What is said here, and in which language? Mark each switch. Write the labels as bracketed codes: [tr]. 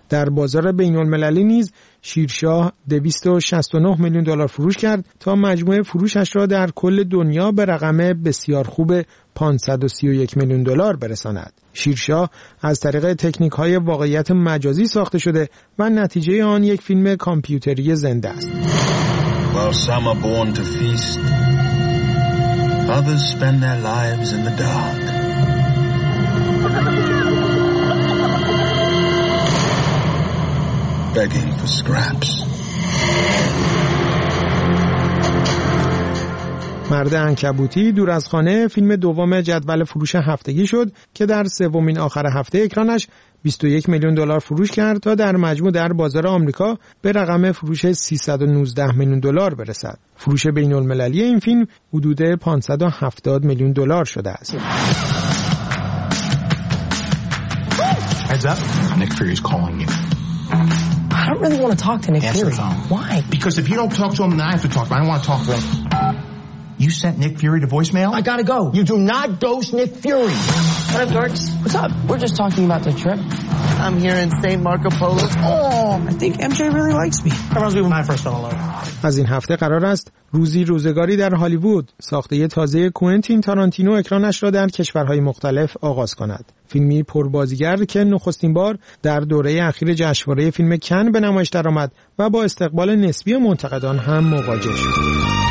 [fa] در بازار بین‌المللی نیز شیرشاه 269 میلیون دلار فروش کرد تا مجموعه فروشش را در کل دنیا به رقم بسیار خوب 531 میلیون دلار برساند. شیرشاه از طریق تکنیک‌های واقعیت مجازی ساخته شده و نتیجه آن یک فیلم کامپیوتری زنده است. [en] While some are born to feast, others spend their lives in the dark. Begging for scraps. [fa] مرد عنکبوتی دور از خانه فیلم دوم جدول فروش هفتگی شد که در سومین آخر هفته اکرانش 21 میلیون دلار فروش کرد تا در مجموع در بازار آمریکا به رقم فروش 319 میلیون دلار برسد. فروش بین المللی این فیلم حدود 570 میلیون دلار شده است. [en] Heads up. Nick Fury's calling you. I don't really want to talk to Nick Fury. Why? Because if you don't talk to him, then I have to talk. But I don't want to talk to him. You sent Nick Fury to voicemail? I gotta go. You do not ghost Nick Fury. What up, Dorks? What's up? We're just talking about the trip. I'm here in St. Marco Polo. Oh, I think MJ really likes me. That must be my first solo. [fa] از این هفته قرار است روزی روزگاری در هالیوود، ساخته تازه کوئنتین تارانتینو اکرانش را در کشورهای مختلف آغاز کند. فیلمی پربازیگر که نخستین بار در دوره اخیر جشنواره فیلم کن به نمایش درآمد و با استقبال نسبی منتقدان هم مواجه شد.